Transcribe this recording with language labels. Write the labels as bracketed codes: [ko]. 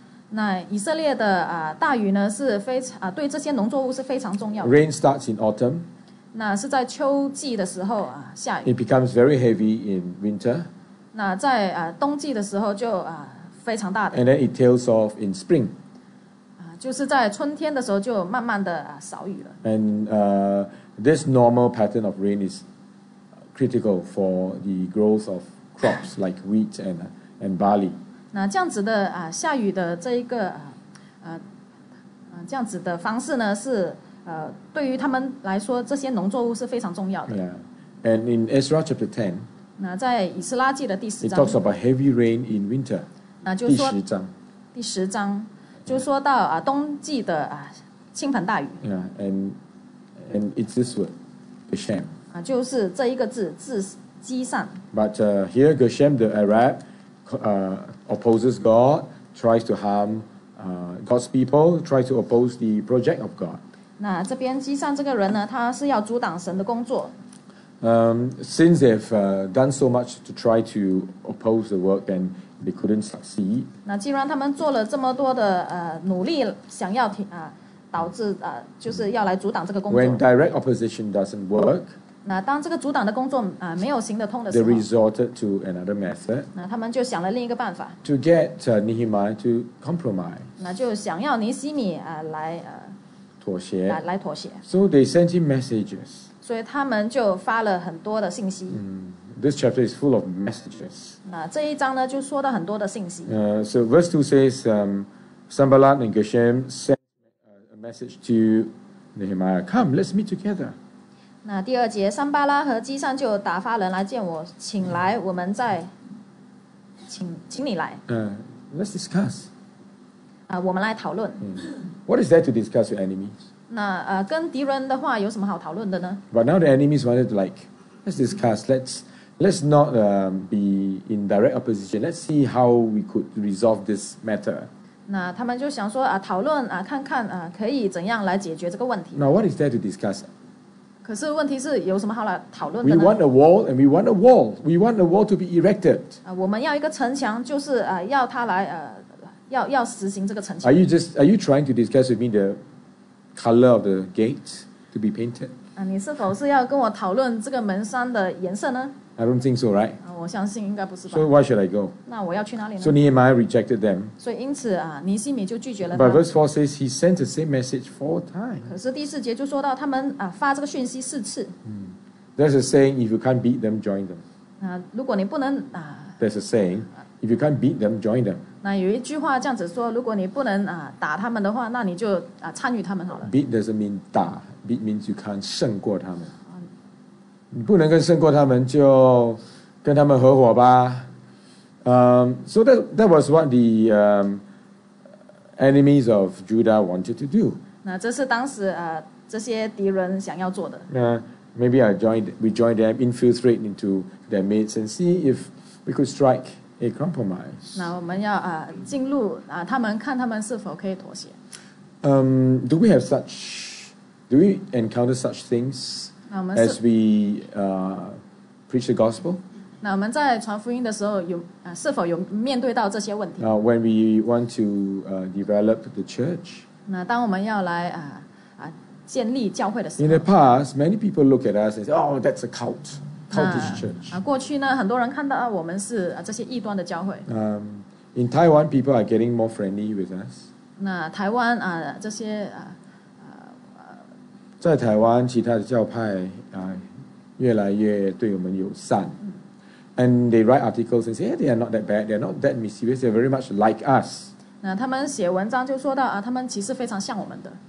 [zh] 那以色列的大雨呢是非常对这些农作物是非常重要的。 [en] Rain starts in autumn. [zh] 那是在秋季的时候下雨。 [en] It becomes very heavy in winter. [zh] 那在冬季的时候就非常大的。 [en] And then it tails off in spring. [zh] 就是在春天的时候就慢慢的少雨了。 [en] And this normal pattern of rain is critical for the growth of crops like wheat and barley. [zh] 那这样子的下雨的这一个这样子的方式呢是对于他们来说这些农作物是非常重要的。 [en] Yeah. And in Ezra chapter 10, [zh] 那在以斯拉记的第十章 [en] it talks about heavy rain in winter. [zh] 那就说第十章就说到冬季的倾盆大雨。 [en] Yeah. And it's this word, Geshem. [zh] 就是这一个字字基善。 [en] But here Geshem the Arab opposes God, tries to harm God's people, tries to oppose the project of God. [zh] 那这边基善这个人呢，他是要阻挡神的工作。 [en] Since they've done so much to try to oppose the work and they couldn't succeed. [zh] 那既然他们做了这么多的努力，想要导致就是要来阻挡这个工作。 [en] When direct opposition doesn't work. [zh] 那当这个阻挡的工作没有行得通的时候 [en] they resorted to another method, [zh] 那他们就想了另一个办法 [en] to get Nehemiah to compromise, [zh] 那就想要尼希米妥协来妥协。 [en] So they sent him messages, [zh] 所以他们就发了很多的信息。 [en] This chapter is full of messages. [zh] 那这一章呢就说到很多的信息。 [en] So verse 2 says Sanballat and Geshem sent a message to Nehemiah, come let's meet together. [zh] 那第二节，三巴拉和基善就打发人来见我，请来，我们再请你来。 [en] Let's discuss. [zh] 我们来讨论。 [en] What is there to discuss with enemies? [zh] 那跟敌人的话有什么好讨论的呢 [en] ？But now the enemies wanted to like, let's discuss. Let's not be in direct opposition. Let's see how we could resolve this matter. [zh] 那他们就想说讨论看看可以怎样来解决这个问题。 [en] Now what is there to discuss? [zh] 可是问题是有什么好来讨论的呢 [en] ？We want a wall, and we want a wall. We want a wall to be erected. [zh] 我们要一个城墙，就是要它来要实行这个城墙。 [en] Are you trying to discuss with me the color of the gate to be painted? [zh] 你是否是要跟我讨论这个门栓的颜色呢 [en] ？I don't think so, right? [zh] 我相信应该不是吧。 [en] So why should I go? [zh] 那我要去哪里呢 [en] ？So Nehemiah rejected them. [zh] 所以因此尼希米就拒绝了。 [en] But verse 4 says he sent the same message 4 times. [zh] 可是第四节就说到他们发这个讯息四次。 [en] There's a saying, if you can't beat them, join them. [zh] 如果你不能 [en] There's a saying, if you can't beat them, join them. [zh] 那有一句话这样子说，如果你不能打他们的话，那你就参与他们好了。 [en] Beat doesn't mean [zh] 打。 [en] It means you can't [zh] 胜过他们。你不能跟胜过他们，就跟他们合伙吧。 [en] So that was what the enemies of Judah wanted to do. [zh] 那这是当时这些敌人想要做的。 [en] Maybe we join them, infiltrate into their midst and see if we could strike a compromise. [zh] 那我们要进入他们，看他们是否可以妥协。 [en] Do we have such? Do we encounter such things as we preach the gospel? [zh] 那我们在传福音的时候有是否有面对到这些问题 [en] When we want to develop the church? [zh] 那当我们要来建立教会的时候 [en] ，In the past, many people look at us and say, "Oh, that's a cult, cultish church." [zh] 过去呢，很多人看到我们是这些异端的教会。 [en] In Taiwan, people are getting more friendly with us. [zh] 那台湾这些在台湾其他的教派越来越对我们友善。 [en] And they write articles and say, "Yeah, they are not that bad. They are not that mischievous. They are very much like us." [zh] 那他们写文章就说到他们其实非常像我们的。